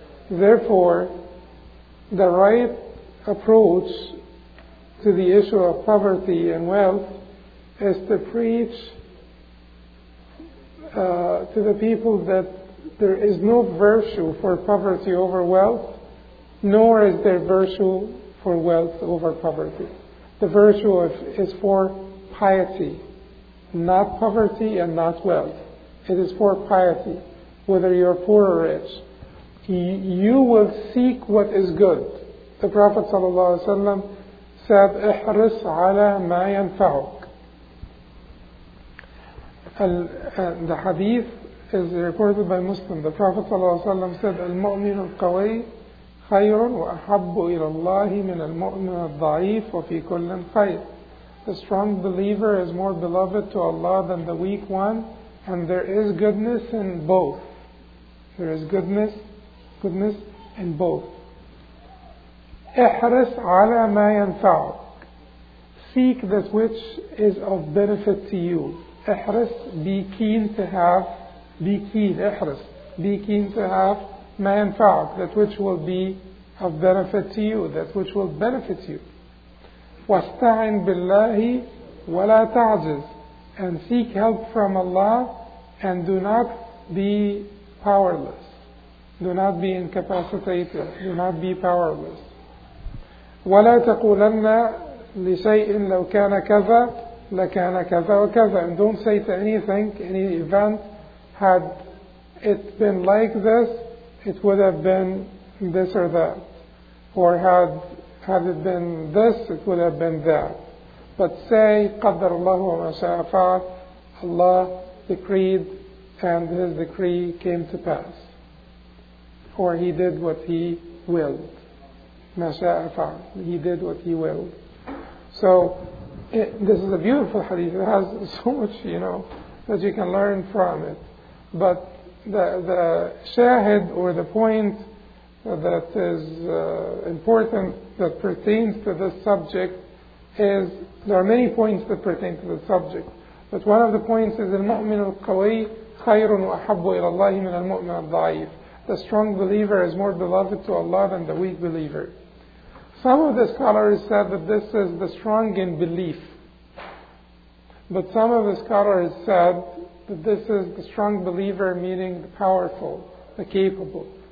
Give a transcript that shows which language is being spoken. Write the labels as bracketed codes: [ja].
[en] Therefore, the right approach to the issue of poverty and wealth is to preach to the people that there is no virtue for poverty over wealth, nor is there virtue for wealth over poverty. The virtue is for piety, not poverty and not wealth. It is for piety, whether you're poor or rich. You will seek what is good. The Prophet ﷺ said, [ar] احرص على ما ينفعك. [en] The hadith is reported by Muslim. The Prophet ﷺ said, [ar] المؤمن القوي خير وأحب إلى الله من المؤمن الضعيف وفي كل خير. [en] The strong believer is more beloved to Allah than the weak one, and there is goodness in both. There is goodness in both. [ar] احرص على ما ينفعك. [en] Seek that which is of benefit to you. [ar] احرص, [en] be keen to have, be keen, احرص, be keen to have [ar] ما ينفعك, [en] that which will be of benefit to you, that which will benefit you. [ar] واستعن بالله ولا تعجز, [en] and seek help from Allah, and do not be powerless, do not be incapacitated, do not be powerless. [ar] ولا تقولن لشيء لو كان كذا لكان كذا وكذا. [en] And don't say to anything, any event, had it been like this, it would have been this or that. Or had it been this, it would have been that. But say, [ar] قَدَّرَ اللَّهُ وَمَا شَاءَ فَعَلَ. [en] Allah decreed and His decree came to pass. Or He did what He willed. [ar] مَا شَاءَ فَعَلَ. [en] He did what He willed. So, this is a beautiful hadith. It has so much, you know, that you can learn from it. But the shahid, or the point that is important, that pertains to this subject, is, there are many points that pertain to the subject. But one of the points is, [ar] المؤمن القوي خير وأحب إلى الله من المؤمن الضعيف. [en] The strong believer is more beloved to Allah than the weak believer. Some of the scholars said that this is the strong in belief. But some of the scholars said that this is the strong believer, meaning the powerful, the capable.